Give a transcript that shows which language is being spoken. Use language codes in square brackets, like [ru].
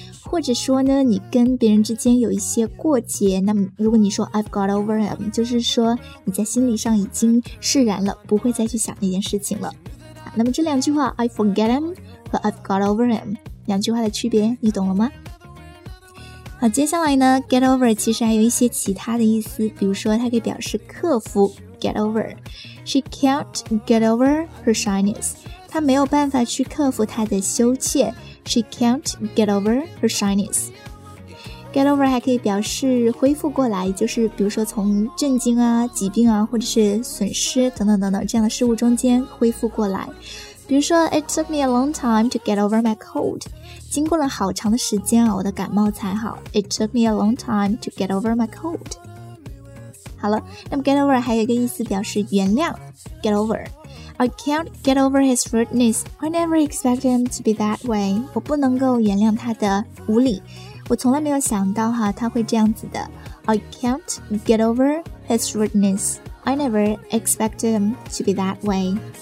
[zh] 或者说呢，你跟别人之间有一些过节，那么如果你说 [en] I've got over him， [zh] 就是说你在心理上已经释然了，不会再去想那件事情了。那么这两句话 I forget him 和 I've got over him 两句话的区别你懂了吗？好，接下来呢 get over 其实还有一些其他的意思，比如说它可以表示克服， get over， [en] She can't get over her shyness， [zh] 她没有办法去克服她的羞怯。 [en] She can't get over her shyness. [zh] Get over 还可以表示恢复过来，就是比如说从震惊啊、疾病啊，或者是损失等等等等这样的事物中间恢复过来。比如说 [en] It took me a long time to get over my cold. [zh] 经过了好长的时间啊，我的感冒才好。 [en] It took me a long time to get over my cold. [zh] 好了，那么 get over 还有一个意思表示原谅， get over. [en] I can't get over his rudeness. I never expected him to be that way. [zh] 我不能够原谅他的无礼，我从来没有想到哈他会这样子的。 [en] I can't get over his rudeness. I never expected him to be that way.